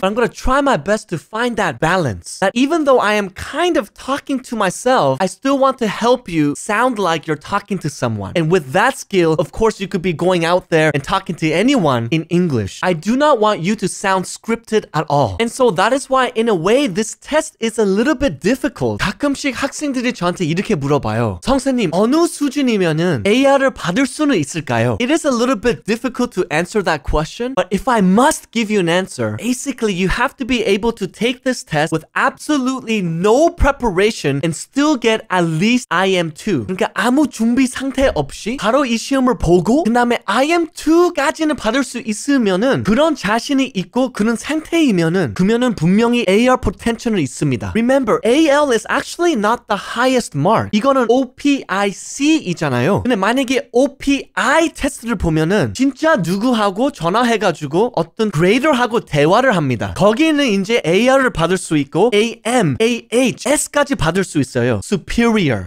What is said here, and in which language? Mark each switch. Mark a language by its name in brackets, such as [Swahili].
[English] But I'm gonna try my best to find that balance, that even though I am kind of talking to myself, I still want to help you sound like you're talking to someone. And with that skill, of course, you could be going out there and talking to anyone in English. I do not want you to sound scripted at all. And so that is why, in a way, this test is a little bit difficult. [Korean] 가끔씩 학생들이 저한테 이렇게 물어봐요. 선생님, 어느 수준이면은 AR을 받을 수는 있을까요? [English] It is a little bit difficult to answer that question, but if I must give you an answer, basically, you have to be able to take take this test with absolutely no preparation and still get at least IM2. [Korean] 그러니까 아무 준비 상태 없이 바로 이 시험을 보고 그 다음에 IM2까지는 받을 수 있으면은 그런 자신이 있고 그런 상태이면은 그러면은 분명히 AR potential은 있습니다. [English] Remember, AL is actually not the highest mark. [Korean] 이거는 OPIC이잖아요. 근데 만약에 OPI 테스트를 보면은 진짜 누구하고 전화해가지고 어떤 grader하고 대화를 합니다. 거기는 이제 AR을 받을 수 있고 AM, AH, S까지 받을 수 있어요. Superior.